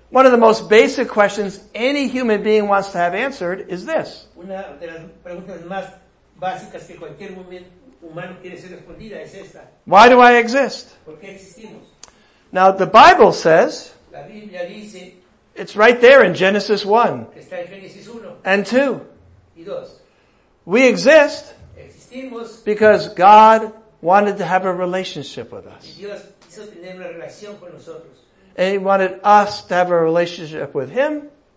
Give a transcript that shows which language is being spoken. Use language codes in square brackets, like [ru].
[en] One of the most basic questions any human being wants to have answered is this. [es] Una de las preguntas más básicas que cualquier humano quiere ser respondida es esta. [en] Why do I exist? [es] ¿Por qué existimos? [en] Now the Bible says, [es] la Biblia dice, [en] it's right there in Genesis 1, [es] está en Génesis 1 [en] and 2. [es] Y 2. [en] We exist [es] existimos [en] because God wanted to have a relationship with us. [es] Y Dios quiso tener una relación con nosotros. [en] And he wanted us to have a relationship with him.